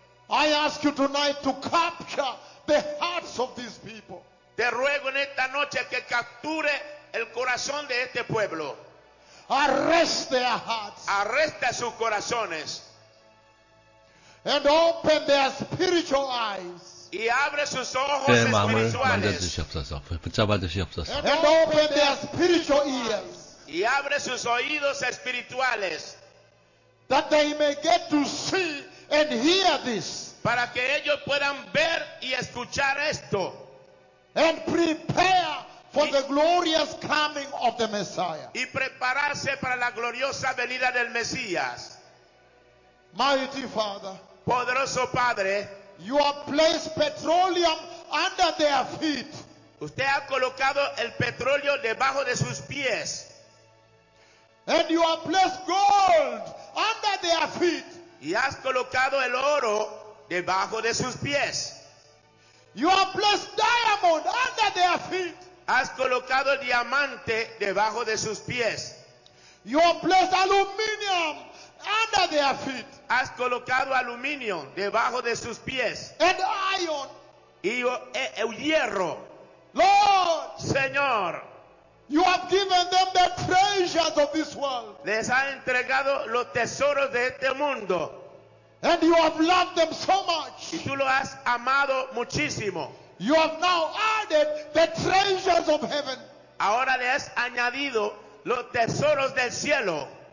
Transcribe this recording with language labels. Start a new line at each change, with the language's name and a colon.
English: I ask you tonight to capture the hearts of these people.
Spanish: Te ruego en esta noche que capture el corazón de este pueblo.
English: Arrest their hearts.
Spanish: Arresta sus corazones.
English: And open their spiritual eyes.
Spanish: Y abre sus ojos espirituales.
English: And open their spiritual ears.
Spanish: Y abre sus oídos espirituales.
English: That they may get to see and hear this.
Spanish: Para que ellos puedan ver y escuchar esto.
English: And prepare for the glorious coming of the Messiah.
Spanish: Y prepararse para la gloriosa venida del Mesías.
English: Mighty Father,
Spanish: poderoso Padre,
English: you have placed petroleum under their feet.
Spanish: Usted ha colocado el petróleo debajo de sus pies.
English: And you have placed gold under their feet.
Spanish: Y has colocado el oro debajo de sus pies.
English: You have placed diamond under their feet.
Spanish: Has colocado diamante debajo de sus pies.
English: You have placed aluminium under their feet.
Spanish: Has colocado aluminio debajo de sus pies.
English: And iron.
Spanish: Y el hierro.
English: Lord,
Spanish: Señor,
English: you have given them the treasures of this world.
Spanish: Les ha entregado los tesoros de este mundo.
English: And you have loved them so much.
Spanish: Y tú lo has amado muchísimo.
English: You have now added the treasures of heaven.
Spanish: Ahora le has añadido los tesoros del cielo.